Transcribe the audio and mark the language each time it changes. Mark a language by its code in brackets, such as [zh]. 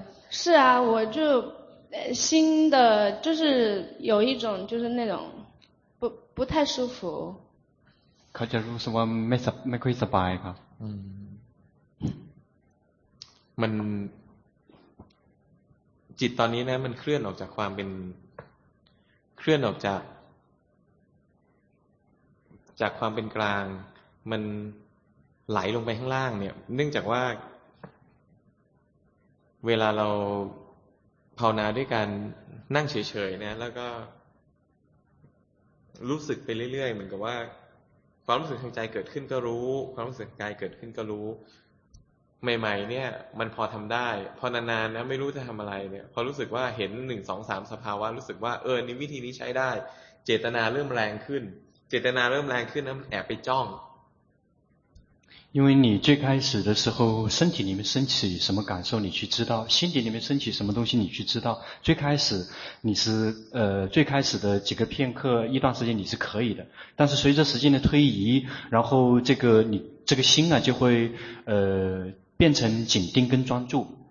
[zh] 是啊，我就心的，就是有一种，就是那种不太舒服。 [th] เขาจะรู้สึกว่าไม่ค่อยสบายครับ。 มันจิตตอนนี้นะมันเคลื่อนออกจากความเป็นเคลื่อนออกจากความเป็นกลางมันไหลลงไปข้างล่างเนี่ยเนื่องจากว่า เวลาเราภาวนาด้วยการนั่งเฉยๆนะแล้วก็รู้สึกไปเรื่อยๆเหมือนกับว่าความรู้สึกทางใจเกิดขึ้นก็รู้ความรู้สึกกายเกิดขึ้นก็รู้ใหม่ๆเนี่ยมันพอทำได้พอนานๆนะไม่รู้จะทำอะไรเนี่ยพอรู้สึกว่าเห็น1 2 3สภาวะรู้สึกว่าเออนี่วิธีนี้ใช้ได้เจตนาเริ่มแรงขึ้นเจตนาเริ่มแรงขึ้นนะมันแอบไปจ้อง [zh] 因为你最开始的时候身体里面升起什么感受你去知道心底里面升起什么东西你去知道最开始你是最开始的几个片刻一段时间你是可以的但是随着时间的推移然后这个你这个心啊就会变成紧盯跟专注。